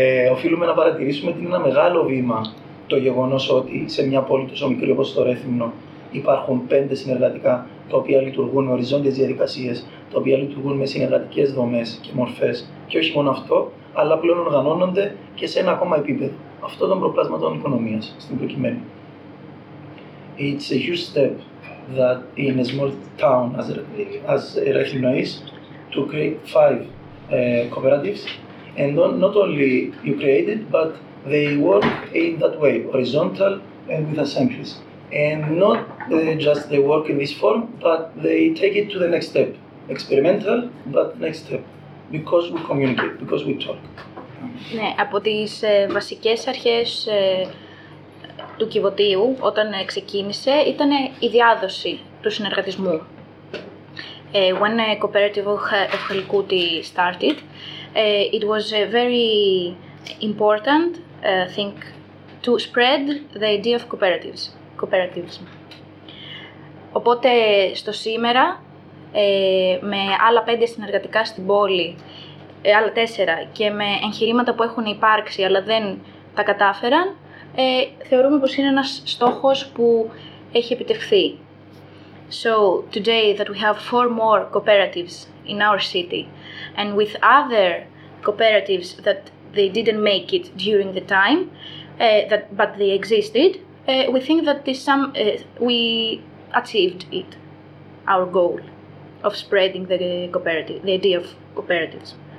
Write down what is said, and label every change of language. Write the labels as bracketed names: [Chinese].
[Greek] οφείλουμε να παρατηρήσουμε ότι είναι ένα μεγάλο βήμα το γεγονός ότι σε μια πόλη τόσο μικρή όπως το Ρέθυμνο υπάρχουν 5 συνεργατικά τα οποία λειτουργούν με οριζόντιες διαδικασίες, τα οποία λειτουργούν με συνεργατικές δομές και μορφές. Και όχι μόνο αυτό, αλλά πλέον οργανώνονται και σε ένα ακόμα επίπεδο. Αυτό των προπλασματών οικονομίας στην προκειμένη. [English] It's a huge step that in a small town as Ρέθυμνο is to create 5 cooperatives. And not only you create it, but they work in that way, horizontal and with assemblies. And not just they work in this form, but they take it to the next step. Experimental, but next step. Because we communicate, because we talk. [Greek] Ναι, από τις βασικές αρχές του Κιβωτίου, όταν ξεκίνησε, ήταν η διάδοση του συνεργατισμού. [English] When a cooperative of Χαλκούτη started, it was a very important thing to spread the idea of cooperatives. Cooperativism. [Greek] Οπότε στο σήμερα, με άλλα 5 συνεργατικά στην πόλη, άλλα 4 και με εγχειρήματα που έχουν υπάρξει αλλά δεν τα κατάφεραν, θεωρούμε πως είναι ένας στόχος που έχει επιτευχθεί. [English] So today that we have 4 more cooperatives in our city and with other cooperatives that they didn't make it during the time, but they existed, we think that this some we achieved it, our goal of spreading the cooperative, the idea of cooperatives.